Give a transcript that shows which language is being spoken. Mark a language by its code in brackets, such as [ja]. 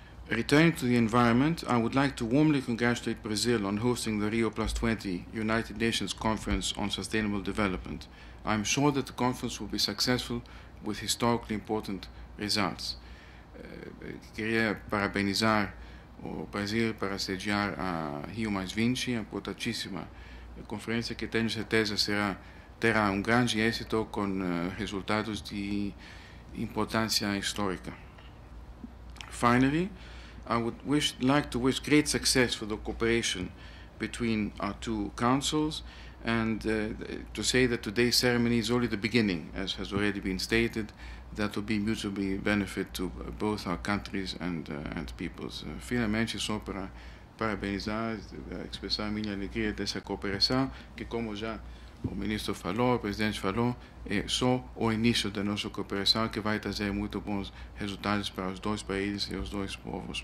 [en] Returning to the environment, I would like to warmly congratulate Brazil on hosting the Rio Plus 20 United Nations Conference on Sustainable Development. I am sure that the conference will be successful with historically important results. [pt] Queria parabenizar o Brasil para sediar a Rio Mais 20, a importantíssima conferência que tenho certeza terá um grande êxito com resultados de importância histórica. [en] Finally, I would like to wish great success for the cooperation between our two councils, and to say that today's ceremony is only the beginning, as has already been stated. That will be mutually benefit to both our countries and peoples. [pt] Finalmente, só para parabenizar, expressar a minha alegria dessa cooperação, que como já o ministro falou, o presidente falou, é só o início da nossa cooperação que vai trazer muito bons resultados para os dois países e os dois povos.